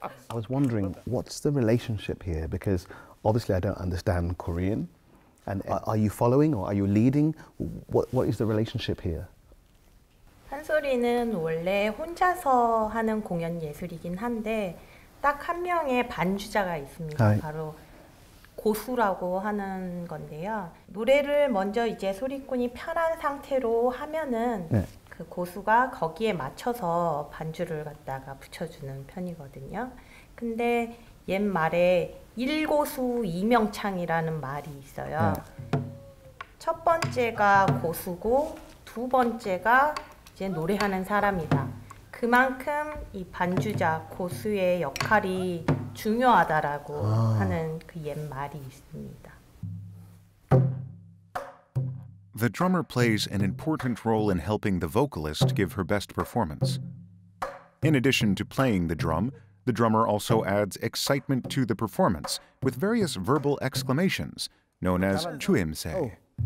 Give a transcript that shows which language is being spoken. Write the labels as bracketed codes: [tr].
[en] I was wondering what's the relationship here because obviously I don't understand Korean. And are you following or are you leading? What is the relationship here? [ko] 판소리는 원래 혼자서 하는 공연 예술이긴 한데 딱 한 명의 반주자가 있습니다. 바로 고수라고 하는 건데요. 노래를 먼저 이제 소리꾼이 편한 상태로 하면은 네. 그 고수가 거기에 맞춰서 반주를 갖다가 붙여주는 편이거든요. 근데 옛말에 일고수 이명창이라는 말이 있어요. 네. 첫 번째가 고수고 두 번째가 이제 노래하는 사람이다. 그만큼 이 반주자 고수의 역할이 중요하다라고 하는 그 옛말이 있습니다. [en] The drummer plays an important role in helping the vocalist give her best performance. In addition to playing the drummer also adds excitement to the performance with various verbal exclamations known as 추임새.